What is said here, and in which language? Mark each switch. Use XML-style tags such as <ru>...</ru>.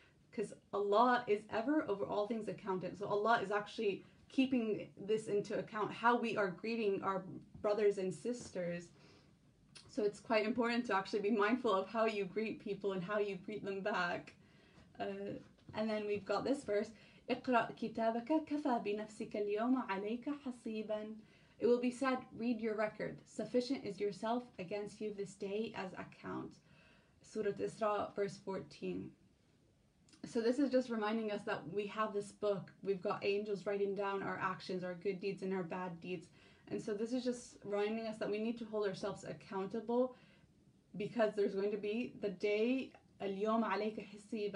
<en>Because Allah is ever over all things accountant. So Allah is actually keeping this into account, how we are greeting our brothers and sisters. So it's quite important to actually be mindful of how you greet people and how you greet them back. And then we've got this verse.</en> <ar>اقرأ كتابك كفى بنفسك اليوم عليك حسيبا.</ar> <en>It will be said, read your record. Sufficient is yourself against you this day as account. Surah Isra, verse 14. So this is just reminding us that we have this book. We've got angels writing down our actions, our good deeds and our bad deeds. And so this is just reminding us that we need to hold ourselves accountable, because there's going to be the day,</en> <ar>اليوم عليك حسيبا.</ar>